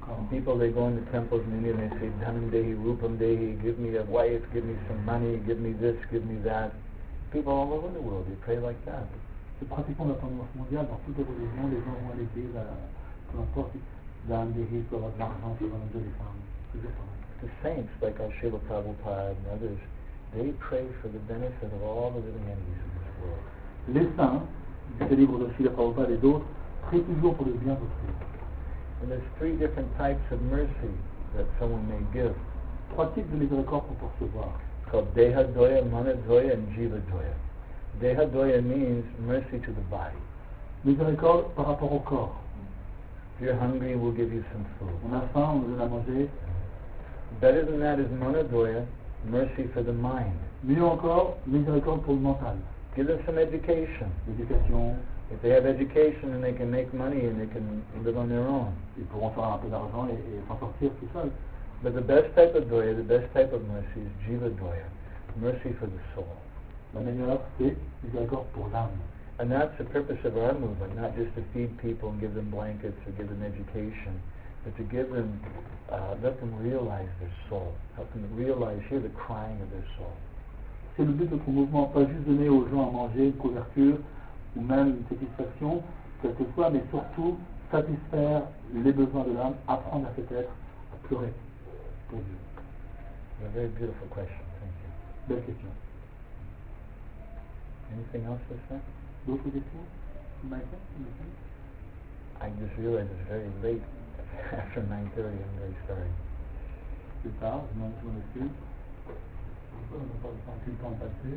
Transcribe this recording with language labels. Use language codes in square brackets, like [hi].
[en] People, they go in the temples in India and they say, Dhanam Dehi, Rupam Dehi, give me a wife, give me some money, give me this, give me that. People all over the world, they pray like that. [fr] C'est pratiquement la tendance mondiale. Dans toutes les religions, les gens vont aller dire, peu importe, Dhanam Dehi, pour avoir de l'argent, pour avoir de l'argent. [en] The saints, like our Srila Prabhupada and others, they pray for the benefit of all the living entities in this world. [fr] Les saints, ces livres de Srila Prabhupada et d'autres, prient toujours pour le bien d'autrui. [en] And there's three different types of mercy that someone may give. [fr] Trois types de miséricorde pour percevoir. [en] Called Deha Doya, Mana Doya, and Jiva Doya. Deha Doya means mercy to the body. [fr] Miséricorde par rapport au corps. [en] If you're hungry, we'll give you some food. [fr] On a faim, on vous donne à manger. [en] Better than that is Mana Doya, mercy for the mind. [fr] Mieux encore, miséricorde pour le mental. [en] Give them some education. [fr] L'éducation. [en] If they have education and they can make money and they can live on their own, [fr] ils pourront faire un peu d'argent et s'en sortir tout seul. [en] But the best type of doya, the best type of mercy is jiva doya, mercy for the soul. [fr] La meilleure, c'est miséricorde pour l'âme. [en] And that's the purpose of our movement, not just to feed people and give them blankets or give them education, but to give them, let them realize their soul, help them realize, hear the crying of their soul. [fr] C'est le but de notre mouvement, pas juste donner aux gens à manger, une couverture, ou même une satisfaction, quel que soit, mais surtout satisfaire les besoins de l'âme, apprendre à cet être à pleurer pour Dieu. [en] A very beautiful question, thank you. [fr] Belle question. [en] Anything else to say? [fr] D'autres questions? [en] I just realized it's very late after 9:30, I'm very sorry. [fr] C'est tard, je m'en souviens plus. Pourquoi on n'a pas le temps qu'il t'en passe?